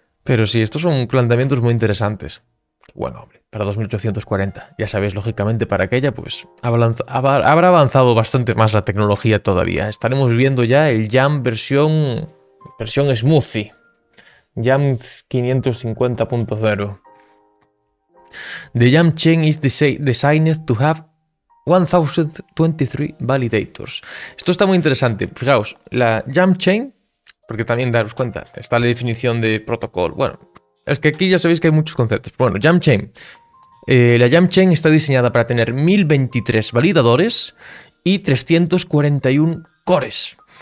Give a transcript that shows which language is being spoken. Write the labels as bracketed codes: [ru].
[es] Pero sí, estos son planteamientos muy interesantes. Bueno, hombre, para 2840, ya sabéis, lógicamente, para aquella, pues habrá avanzado bastante más la tecnología todavía. Estaremos viendo ya el Jam versión smoothie. Jam 550.0. [en] The Jam Chain is designed to have 1023 validators. [es] Esto está muy interesante. Fijaos, la Jam Chain, porque también daros cuenta, está la definición de protocolo. Bueno, es que aquí ya sabéis que hay muchos conceptos. Bueno, Jam Chain. La Jam Chain está diseñada para tener 1023 validadores y 341 cores.